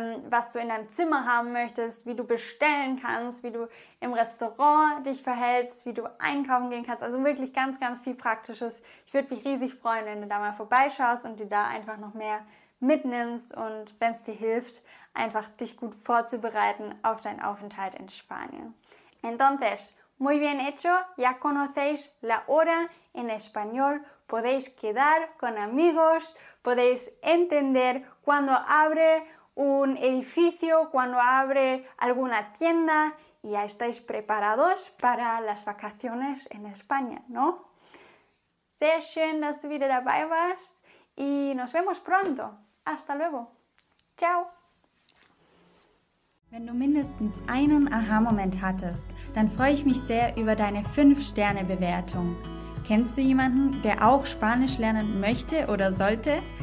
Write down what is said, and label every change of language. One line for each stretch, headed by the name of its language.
German: was du in deinem Zimmer haben möchtest, wie du bestellen kannst, wie du im Restaurant dich verhältst, wie du einkaufen gehen kannst. Also wirklich ganz, ganz viel Praktisches. Ich würde mich riesig freuen, wenn du da mal vorbeischaust und dir da einfach noch mehr mitnimmst und wenn es dir hilft, einfach dich gut vorzubereiten auf deinen Aufenthalt in Spanien.
Spanish: Entonces, muy bien hecho, ya conocéis la hora en español, podéis quedar con amigos, podéis entender cuando abre un edificio, cuando abre alguna tienda y ya estáis preparados para las vacaciones en España, ¿no?
German: Sehr schön, dass du wieder dabei warst
Spanish: y nos vemos pronto. Hasta luego. Ciao.
German: Wenn du mindestens einen Aha-Moment hattest, dann freue ich mich sehr über deine 5-Sterne-Bewertung. Kennst du jemanden, der auch Spanisch lernen möchte oder sollte?